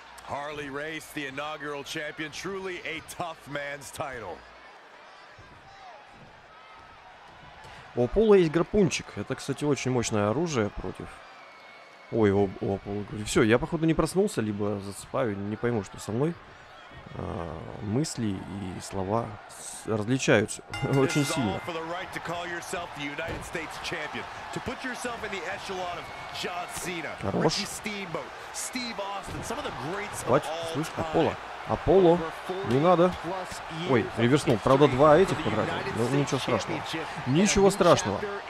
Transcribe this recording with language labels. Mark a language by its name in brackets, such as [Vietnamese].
[English] Harley Race, the inaugural champion, truly a tough man's title. [Russian] У Аполло есть гарпунчик. Это, кстати, очень мощное оружие против... Ой, у Аполло... Все, я, походу, не проснулся, либо засыпаю, не пойму, что со мной. Мысли и слова различаются очень сильно. [English] For the right to call yourself the United States champion, to put yourself in the echelon of John Cena, Ricky Steamboat, Steve Austin, some of the greats of all time. [Russian] Слышь, Аполло, Аполло, не надо. Ой, реверснул. Правда, два этих потратил. Но ничего страшного. Ничего страшного.